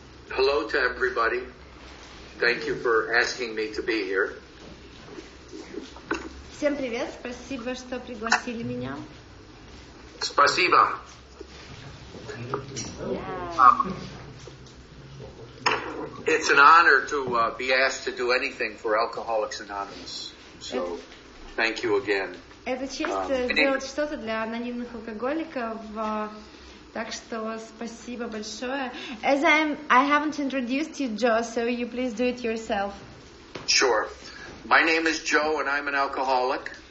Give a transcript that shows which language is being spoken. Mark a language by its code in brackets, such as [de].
[en] Hello to everybody. Thank you for asking me to be here. [ru] Всем привет, спасибо, что пригласили меня. Спасибо. [en] It's an honor to be asked to do anything for Alcoholics Anonymous. So, thank you again. [ru] Это честь сделать что-то для анонимных алкоголиков. Так что спасибо большое. [en] As I haven't introduced you, Joe, so you please do it yourself. Sure. My name is Joe, and I'm an alcoholic.